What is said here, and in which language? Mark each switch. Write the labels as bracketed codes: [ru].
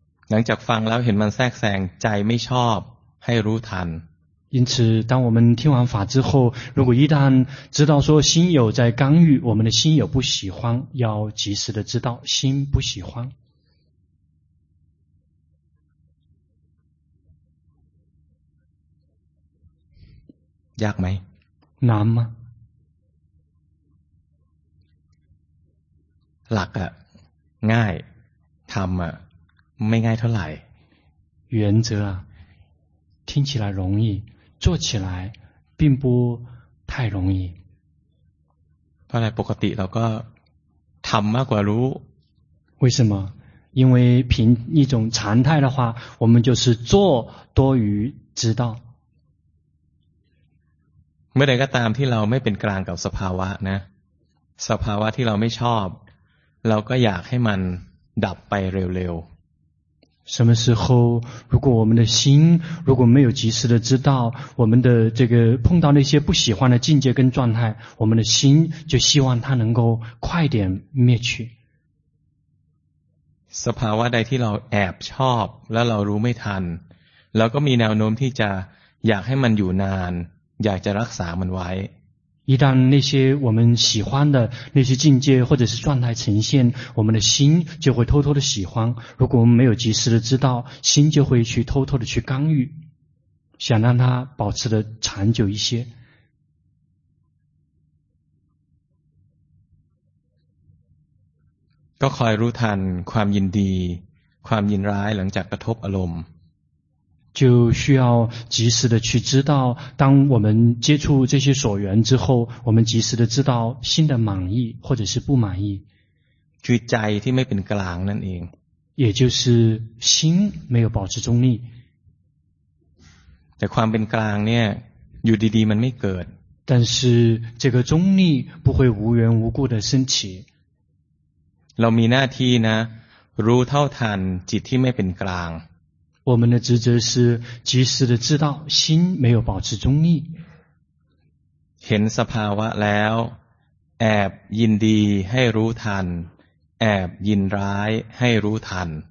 [th] หลังจากฟังแล้วเห็นมันแทรกแซงใจไม่ชอบให้รู้ทัน [zh] 因此当我们听完法之后如果一旦知道说心有在干预我们的心有不喜欢要及时的知道心不喜欢 [th] ยากไ หมนานมั้ย หลักอะง่ายทำอะไม่ง่ายเท่าไหร่ [zh] 原则啊听起来容易做起来并不太容易 [th] เพราะอะไรปกติเราก็ทำมากกว่ารู้ [zh] 为什么因为凭一种常态的话我们就是做多于知道 [th] เมื่อใดก็ตามที่เราไม่เป็นกลางกับสภาวะนะสภาวะที่เราไม่ชอบเราก็อยากให้มันดับไปเร็วๆ [zh] 什么时候如果我们的心如果没有及时的知道我们的这个碰到那些不喜欢的境界跟状态我们的心就希望它能够快点灭去 [th] สภาวะใดที่เราแอบชอบแล้วเรารู้ไม่ทันเราก็มีแนวโน้มที่จะอยากให้มันอยู่นานอยากจะรักษามันไว้ [zh] 一旦那些我们喜欢的那些境界或者是状态呈现我们的心就会偷偷的喜欢如果我们没有及时的知道心就会去偷偷的去干预想让它保持的长久一些 [th] ก็คอยรู้ทันความยินดีความยินร้ายหลังจากกระทบอารมณ์ [zh] 就需要及时的去知道当我们接触这些所缘之后我们及时的知道心的满意或者是不满意 [th] คือใจที่ไม่เป็นกลางนั่นเอง [zh] 也就是心没有保持中立 [th] แต่ความเป็นกลางเนี่ยอยู่ดีๆมันไม่เกิด [zh] 但是这个中立不会无缘无故的升起 [th] เรามีหน้าที่นะรู้เท่าทันจิตที่ไม่เป็นกลาง [zh] 我们的职责是及时的知道心没有保持中立 [th] เห็นสภาวะแล้วแอบยินดีให้รู้ทันแอบยินร้ายให้รู้ทัน